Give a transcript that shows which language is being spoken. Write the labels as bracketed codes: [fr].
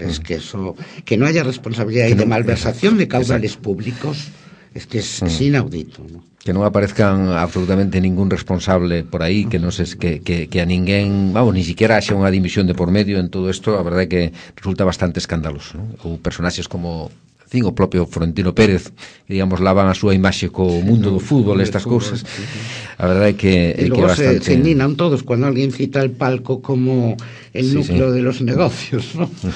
[es] Es que eso, que no haya responsabilidad y de malversación de caudales públicos, es que es inaudito, ¿no? [gl] Que non aparezcan absolutamente ningún responsable por aí, que non sei que a ninguén, vamos, [es] ni siquiera [gl] haxa unha dimisión de por medio en todo isto, a verdade é que resulta bastante escandaloso, ¿no? Ou personaxes como... o propio Florentino Pérez, digamos, lavan a súa imaxe co mundo do fútbol, estas cousas. A verdade é que é bastante... [es] se indignan todos cuando alguien cita el palco como el núcleo de los negocios, ¿no?